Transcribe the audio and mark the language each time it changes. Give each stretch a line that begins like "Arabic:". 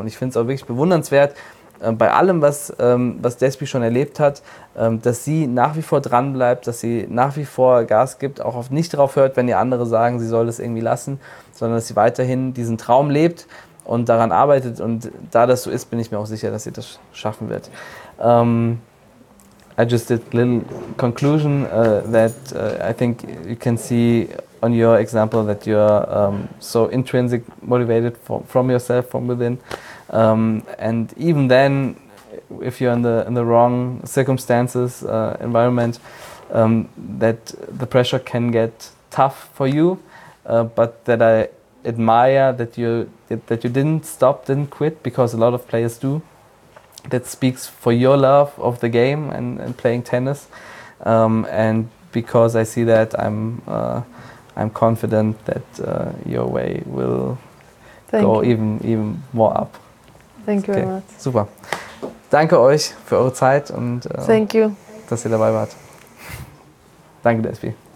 German: Und ich finde es auch wirklich bewundernswert, bei allem, was Despi schon erlebt hat, dass sie nach wie vor dranbleibt, dass sie nach wie vor Gas gibt, auch oft nicht darauf hört, wenn ihr andere sagen, sie soll das irgendwie lassen, sondern dass sie weiterhin diesen Traum lebt und daran arbeitet. Und da das so ist, bin ich mir auch sicher, dass sie das schaffen wird.
English: I just did a little conclusion that I think you can see on your example that you're so intrinsic motivated from yourself, from within. And even then, if you're in the wrong circumstances, environment, that the pressure can get tough for you, but that I admire that you didn't quit, because a lot of players do. That speaks for your love of the game and playing tennis, and because I see that, I'm confident that your way will go even more up. Thank you very much.
German: Super. Danke euch für eure Zeit und
English: thank you,
German: dass ihr dabei wart. Danke, Despi.